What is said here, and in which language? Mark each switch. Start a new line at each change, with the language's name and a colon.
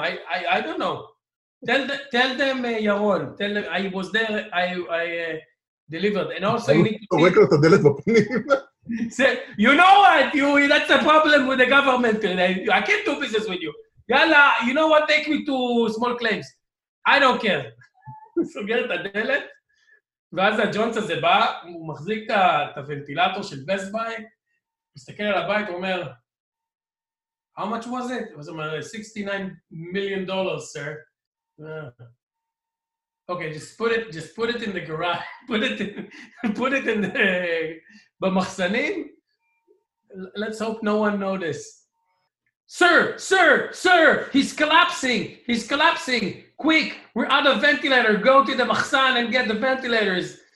English: I don't know. Tell them, Yaron. Tell them I was there. I delivered. And also, you need to record the delivery opinion. Say, you know what? That's a problem with the government. I can't do business with you. Yalla, you know what? Take me to small claims. I don't care.
Hebrew: סוגר את הדלת, ואז הג'ונס הזה בא, הוא מחזיק את הוונטילטור של Best Buy, מסתכל על הבית, הוא אומר,
English: How much was it?
Hebrew: אז הוא אומר, $69 million, sir.
English: Okay, just put it in the garage, put it in the,
Hebrew: במחסנים,
English: let's hope no one noticed. Sir, he's collapsing, quick, we're out of ventilator, go to the מחסן and get the ventilators.